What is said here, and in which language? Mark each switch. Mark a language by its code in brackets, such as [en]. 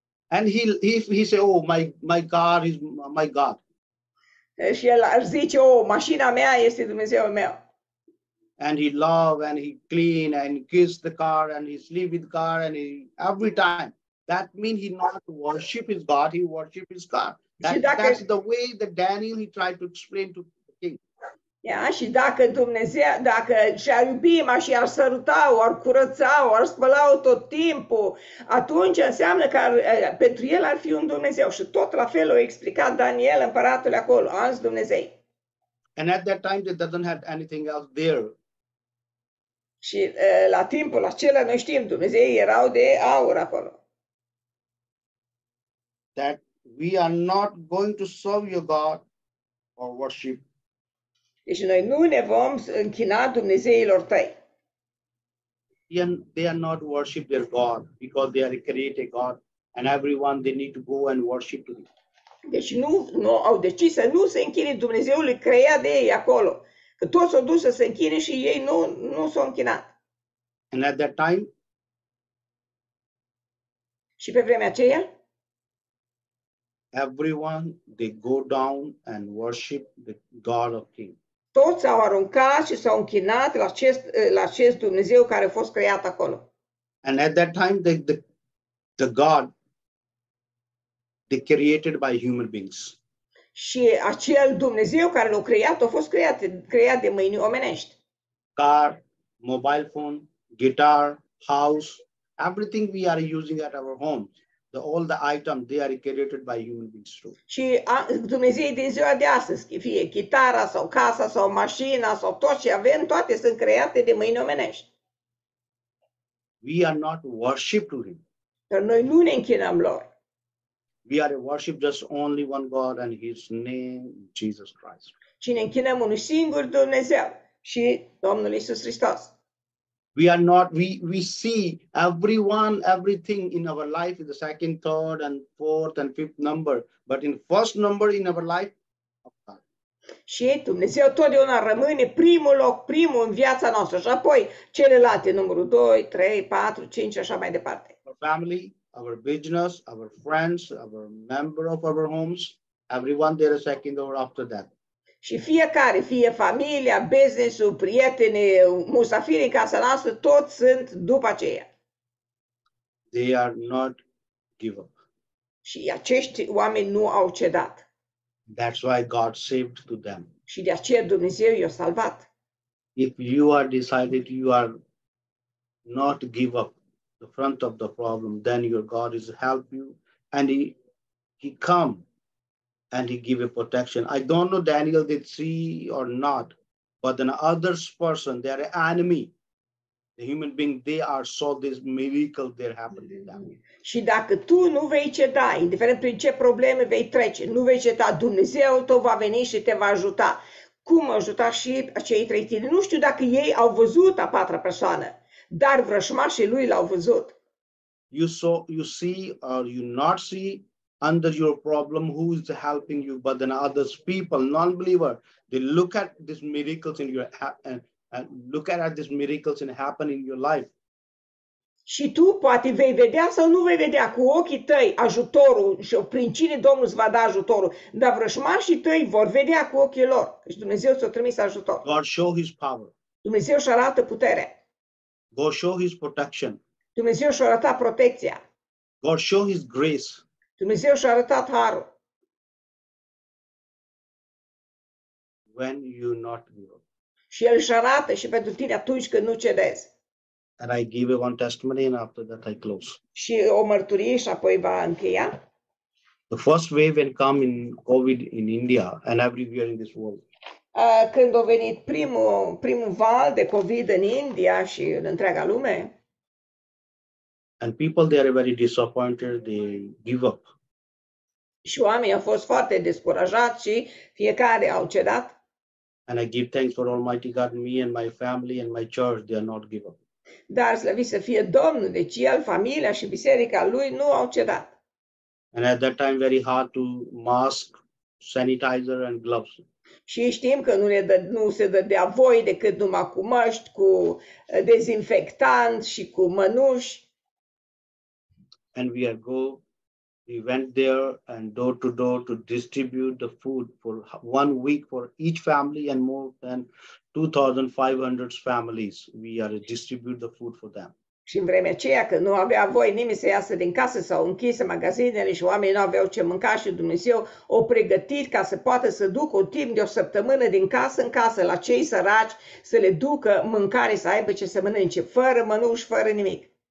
[en] And he say, oh, my car is my God. [ro] Și el ar zice, oh, mașina mea este Dumnezeul meu. [en] And he love and he clean and kiss the car and he sleep with car and he every time. That means he not worship his God, he worship his car. That's the way that Daniel he tried to explain to the king. [ro] Ia, și dacă Dumnezeu, dacă și-ar iubi, și ar săruta, ar curăța, ar spăla tot timpul, atunci înseamnă că pentru el ar fi un Dumnezeu. Și tot la fel o explicat Daniel, împăratul acolo, alți Dumnezei. [en] And at that time, they doesn't have anything else there. [ro] Și la timpul acela, noi știm, Dumnezei erau de aur acolo. [en] That we are not going to serve your God or worship. [ro] Deci noi nu ne vom închina Dumnezeilor tăi. [en] They are not worship their God because they are a created God and everyone they need to go and worship to them. [ro] Deci nu au decis să nu se închine Dumnezeului creat de ei acolo. Că toți s-au dus să se închine și ei nu s-au închinat. [en] And at that time? [ro] Și pe vremea aceea? [en] Everyone, they go down and worship the God of Kings. [ro] Toți s-au aruncat și s-au închinat la acest Dumnezeu care a fost creat acolo. [en] And at that time the God they created by human beings. [ro] Și acel Dumnezeu care l-a creat a fost creat de mâini omenești. [en] Car, mobile phone, guitar, house, everything we are using at our homes. All the items they are created by human beings too. [ro] Și Dumnezeu din ziua de astăzi, fie chitara sau casa sau mașina sau tot ce avem, toate sunt create de mâini omenești. [en] We are not worship to him. [ro] Dar noi nu ne închinăm lor. [en] We are worship just only one God and his name Jesus Christ. [ro] Și ne închinăm unui singur Dumnezeu și Domnul Iisus Hristos. [en] We are not, we see everyone, everything in our life is the second, third, and fourth, and fifth number. But in first number in our life, of God. [ro] Și Dumnezeu totdeauna rămâne primul loc, primul în viața noastră. Și apoi celelalte, numărul 2, 3, 4, 5, așa mai departe. [en] Our family, our business, our friends, our member of our homes, everyone there is second or after that. [ro] Și fiecare, fie familia, business-ul, prietenii, musafirii în casa noastră, toți sunt după aceea. [en] They are not give up. [ro] Și acești oameni nu au cedat. [en] That's why God saved to them. [ro] Și de aceea Dumnezeu i-a salvat. [en] If you are decided you are not give up the front of the problem, then your God is help you and he come. And he give a protection. I don't know Daniel did see or not, but an others person, they are an enemy. The human being, they are saw this miracle there happened to them. [ro] Și dacă tu nu vei ceda, indiferent prin ce probleme vei trece, nu vei ceda, Dumnezeu tău va veni și te va ajuta. Cum ajuta și acei trei tine? Nu știu dacă ei au văzut a patra persoană, dar vrășmașii lui l-au văzut. [en] You see or you not see, under your problem, who is helping you? But then others, people, non-believer, they look at these miracles in your and look at these miracles and happen in your life. [ro] Și tu poate vei vedea sau nu vei vedea cu ochii tăi ajutorul și prin cine Domnul îți va da ajutorul. Dar vrăjmașii tăi vor vedea cu ochii lor că Dumnezeu ți-a trimis ajutor. [en] God show His power. [ro] Dumnezeu își arată puterea. [en] God show his protection. [ro] Dumnezeu și-a arătat protecția. [en] God show his grace. [ro] Dumnezeu și-a arătat harul. [en] When you not yield. [ro] Și el își arată și pentru tine atunci când nu cedezi. [en] And I give you one testimony and after that I close. [ro] Și o mărturie și apoi va încheia. [en] The first wave had come in COVID in India and everywhere in this world. [ro] Când a venit primul val de COVID în India și în întreaga lume. [en] And people there are very disappointed, they give up. [ro] Și oamenii au fost foarte descurajați și fiecare au cedat. [en] And I give thanks for Almighty God, me and my family and my church, they are not give up. [ro] Dar slăvit să fie Domnul, deci el, familia și biserica lui nu au cedat. [en] And at that time very hard to mask, sanitizer and gloves. [ro] Și știm că nu se dădea voie decât numai cu măști, cu dezinfectant și cu mănuși. [en] And we are go, we went there and door to door to distribute the food for 1 week for each family and more than 2,500 families. We are to distribute the food for them. [ro] Și în vremea aceea că nu avea voie nimeni să iasă din casă, s-au închis magazinele și oamenii nu aveau ce mânca și Dumnezeu o pregătit ca să poată să ducă o timp de o săptămână din casă în casă la cei săraci să le ducă mâncare, să aibă ce să mănânce, fără mănuși, fără nimic.